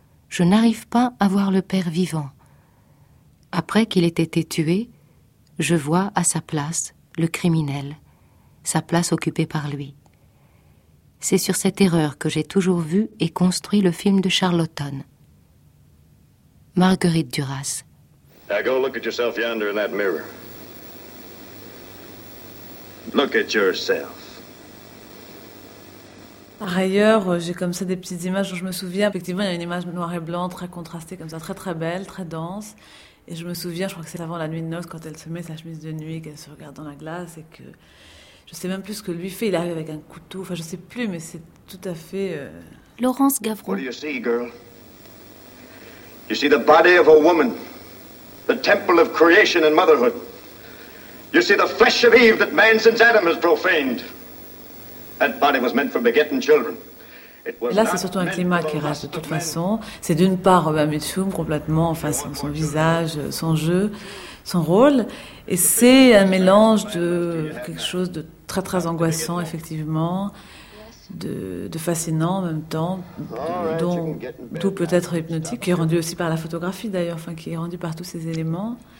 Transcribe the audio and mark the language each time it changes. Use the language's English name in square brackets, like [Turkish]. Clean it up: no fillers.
[French] Je n'arrive pas à voir le père vivant. Après qu'il ait été tué, je vois à sa place le criminel, sa place occupée par lui. C'est sur cette erreur que j'ai toujours vu et construit le film de Charlton. Marguerite Duras. [English] Now go look at yourself yonder in that mirror. Look at yourself. [French] Par ailleurs, j'ai comme ça des petites images dont je me souviens. Effectivement, il y a une image noire et blanc, très contrastée, comme ça, très très belle, très dense. Et je me souviens, je crois que c'est avant la nuit de noces, quand elle se met sa chemise de nuit, qu'elle se regarde dans la glace, et que je ne sais même plus ce que lui fait. Il arrive avec un couteau, enfin, je ne sais plus, mais c'est tout à fait... Laurence Gavron. [English] What do you see, girl? You see the body of a woman, the temple of creation and motherhood. You see the flesh of Eve that man since Adam has profaned. That body was meant for begetting children. [French] Et là, c'est surtout un climat qui reste de toute façon. C'est d'une part Robert Mitchum complètement, enfin son visage, son jeu, son rôle. Et c'est un mélange de quelque chose de très très angoissant, effectivement, de fascinant en même temps, dont tout peut être hypnotique, qui est rendu aussi par la photographie d'ailleurs, enfin qui est rendu par tous ces éléments.